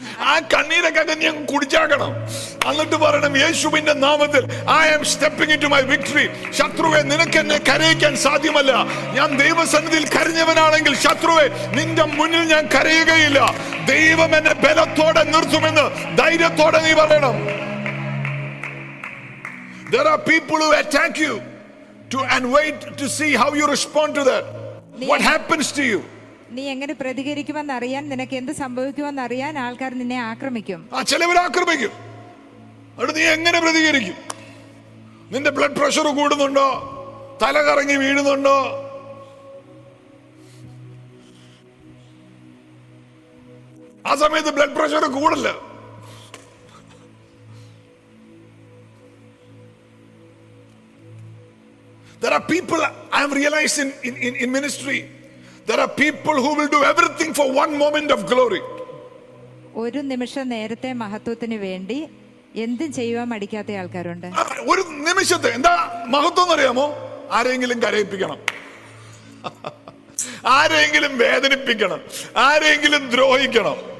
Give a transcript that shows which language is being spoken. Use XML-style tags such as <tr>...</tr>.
<ml>ആ കണ്ണീരൊക്കെ ഞാൻ കുടിച്ചാക്കണം. എന്നിട്ട് പറയണം, യേശുവിന്റെ നാമത്തിൽ</ml> <en>I am stepping into my victory.</en> <ml>ശത്രുവേ, നിനക്ക് എന്നെ കരയിക്കാൻ സാധ്യമല്ല. ഞാൻ ദൈവസന്നിധിയിൽ കരഞ്ഞവനാണെങ്കിൽ ശത്രുവേ, നിന്റെ മുന്നിൽ ഞാൻ കരയുകയില്ല. ദൈവം എന്നെ ബലത്തോടെ നിർത്തുമെന്ന് ധൈര്യത്തോടെ നീ പറയണം.</ml> <en>There are people who attack you to and wait to see how you respond to that. What happens to you?</en> <ml>നീ എങ്ങനെ പ്രതികരിക്കുമെന്ന് അറിയാൻ, നിനക്ക് എന്ത് സംഭവിക്കുമെന്ന് അറിയാൻ ആൾക്കാർ നിന്നെ ആക്രമിക്കും. ആ ചിലവർ ആക്രമിക്കും. അത് നീ എങ്ങനെ പ്രതികരിക്കും? നിന്റെ ബ്ലഡ് പ്രഷർ കൂടുന്നുണ്ടോ? തലകറങ്ങി വീഴുന്നുണ്ടോ? ആ സമയത്ത് ബ്ലഡ് പ്രഷർ കൂടില്ല.</ml> <en>There are people I have realized in ministry. There are people who will do everything for one moment of glory.</en> <ml>ഒരു നിമിഷം നേരത്തെ മഹത്വത്തിന് വേണ്ടി എന്തും ചെയ്യാൻ മടിക്കാത്ത ആൾക്കാരുണ്ട്. ഒരു നിമിഷത്തെ എന്താ മഹത്വം അറിയാമോ? ആരെങ്കിലും കരയിപ്പിക്കണം, ആരെങ്കിലും വേദനിപ്പിക്കണം, ആരെങ്കിലും ദ്രോഹിക്കണം.</ml>